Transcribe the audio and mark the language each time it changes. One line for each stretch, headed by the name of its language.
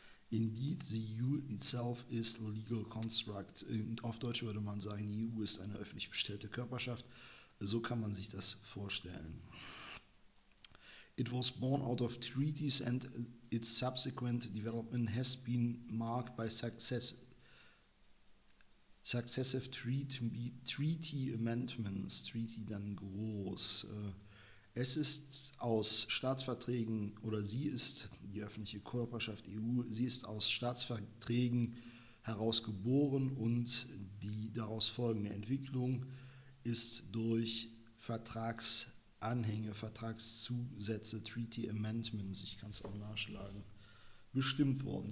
English: Indeed, the EU itself is a legal construct.
German: Und auf Deutsch würde man sagen, die EU ist eine öffentlich bestellte Körperschaft. So kann man sich das vorstellen.
English: It was born out of treaties, and its subsequent development has been marked by successive treaty amendments, treaty
German: dann groß. Es ist aus Staatsverträgen, oder sie ist, die öffentliche Körperschaft EU, sie ist aus Staatsverträgen herausgeboren, und die daraus folgende Entwicklung ist durch Vertragsanhänge, Vertragszusätze, Treaty Amendments, ich kann es auch nachschlagen, bestimmt worden.